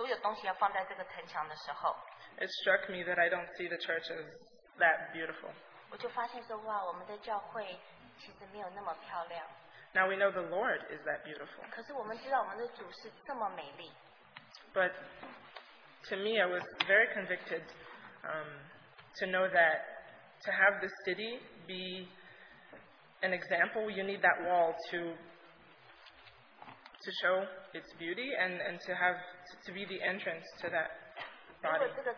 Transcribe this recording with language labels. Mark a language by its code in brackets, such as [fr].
[zh] 我刚开始想起提醒我，让我知道所有东西要放在这个城墙的时候， [en] it struck me that I don't see the church as that beautiful. [zh] 我就发现说，哇，我们的教会其实没有那么漂亮。 [en] Now we know the Lord is that beautiful. [zh] 可是我们知道我们的主是这么美丽。 [en] But to me, I was very convicted to know that to have the city be an example, you need that wall to show its beauty and to have to be the entrance to that body.